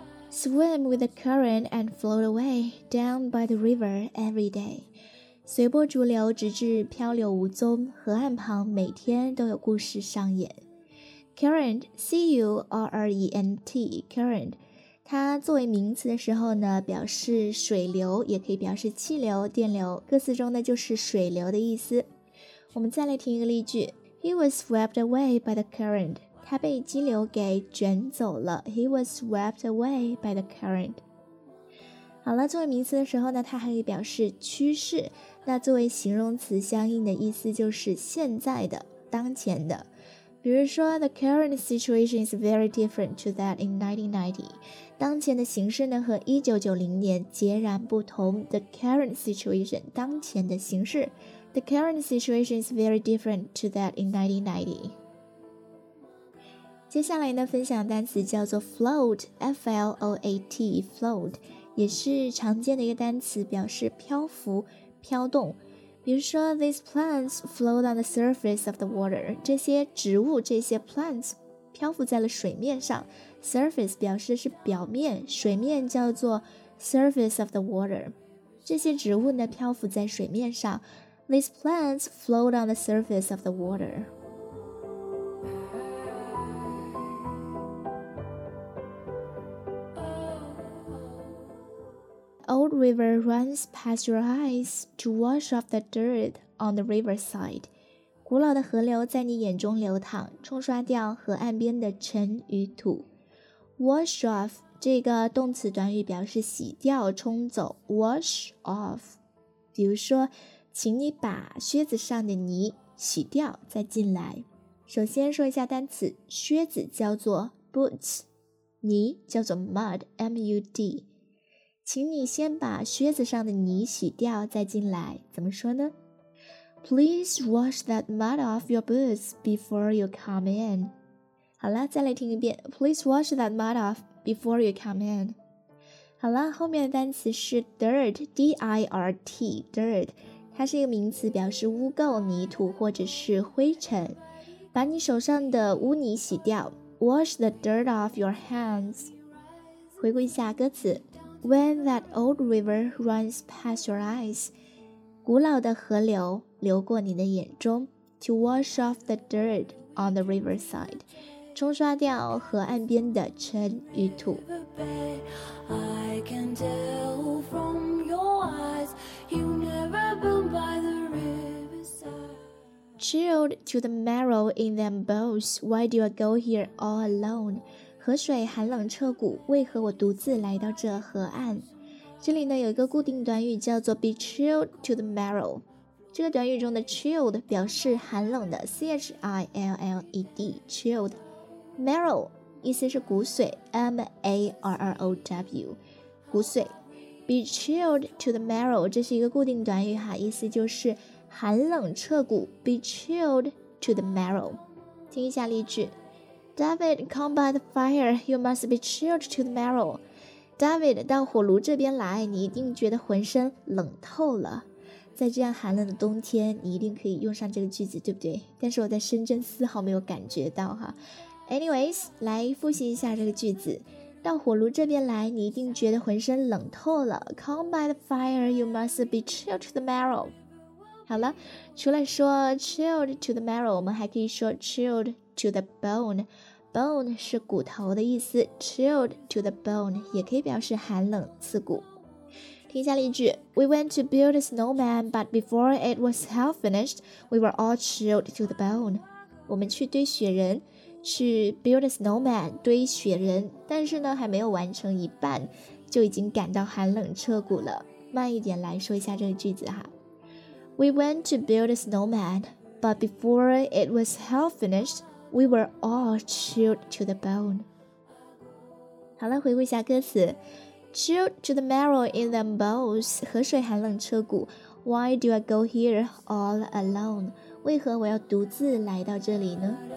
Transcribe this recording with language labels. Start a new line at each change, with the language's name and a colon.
English: Swim with the current and float away down by the river every day.
Chinese: 随波逐流，直至漂流无踪。河岸旁每天都有故事上演。
English: Current, C-U-R-R-E-N-T, current.
Chinese: 它作为名词的时候呢，表示水流，也可以表示气流、电流。歌词中呢，就是水流的意思。我们再来听一个例句。
English: He was swept away by the current.
Chinese: 他被激流给卷走了。
English: He was swept away by the current.
Chinese: 好了，作为名词的时候呢，它还可以表示趋势。那作为形容词，相应的意思就是现在的、当前的。比如说
English: ，The current situation is very different to that in 1990.
Chinese: 当前的形势呢，和1990年截然不同。
English: The current situation，
Chinese: 当前的形势。
English: The current situation is very different to that in 1990.
Chinese: 接下来呢，分享单词叫做 float， F-L-O-A-T， float， 也是常见的一个单词，表示漂浮、飘动。
English: 比如说 these plants float on the surface of the water，
Chinese: 这些植物、这些
English: plants
Chinese: 漂浮在了水面上。 surface 表示是表面，水面叫做 surface of the water， 这些植物呢漂浮在水面上。
English: these plants float on the surface of the water。 Old river runs past your eyes to wash off the dirt on the riverside.
Chinese: 古老的河流在你眼中流淌，冲刷掉河岸边的尘与土。 Wash off 这个动词短语表示洗掉、冲走。 Wash off， 比如说，请你把靴子上的泥洗掉再进来。首先说一下单词，靴子叫做 boots， 泥叫做 mud， M-U-D。请你先把靴子上的泥洗掉再进来，怎么说呢？
English: Please wash that mud off your boots before you come in.
Chinese: 好了，再来听一遍。
English: Please wash that mud off before you come in.
Chinese: 好了，后面的单词是 dirt, D-I-R-T, dirt. 它是一个名词，表示污垢、泥土或者是灰尘。把你手上的污泥洗掉。
English: Wash the dirt off your hands.
Chinese: 回顾一下歌词。
English: When that old river runs past your eyes,
Chinese: 古老的河流流过你的眼中，
English: to wash off the dirt on the riverside,
Chinese: 冲刷掉河岸边的尘与土。
English: I can tell from your eyes, you've never been by the riverside. Chilled to the marrow in them bones, why do I go here all alone?
Chinese: 河水寒冷彻骨，为何我独自来到这河岸？这里呢有一个固定短语叫做 be chilled to the marrow。这个短语中的 chilled 表示寒冷的， C-H-I-L-L-E-D chilled， marrow 意思是骨髓， M-A-R-R-O-W 骨髓。 be chilled to the marrow 这是一个固定短语哈，意思就是寒冷彻骨， be chilled to the marrow。听一下例句。
English: David, come by the fire, you must be chilled to the marrow.
Chinese: David, 到火炉这边来，你一定觉得浑身冷透了。在这样寒冷的冬天，你一定可以用上这个句子，对不对？但是我在深圳丝毫没有感觉到哈。Anyways, 来复习一下这个句子。到火炉这边来，你一定觉得浑身冷透了。
English: Come by the fire, you must be chilled to the marrow.
Chinese: 好了，除了说
English: chilled to the marrow,
Chinese: 我们还可以说
English: chilled to the bone，
Chinese: bone 是骨头的意思， chilled to the bone 也可以表示寒冷刺骨。听下例句，
English: We went to build a snowman, but before it was half finished, we were all chilled to the bone.
Chinese: 我们去堆雪人，去
English: build a snowman,
Chinese: 堆雪人，但是呢还没有完成一半，就已经感到寒冷彻骨了。慢一点来说一下这个句子哈。
English: We went to build a snowman, but before it was half finished, we were all chilled to the bone.
Chinese: 好了，回顾一下歌词。
English: Chilled to the marrow in them bones,
Chinese: 河水寒冷彻骨。
English: Why do I go here all alone?
Chinese: 为何我要独自来到这里呢？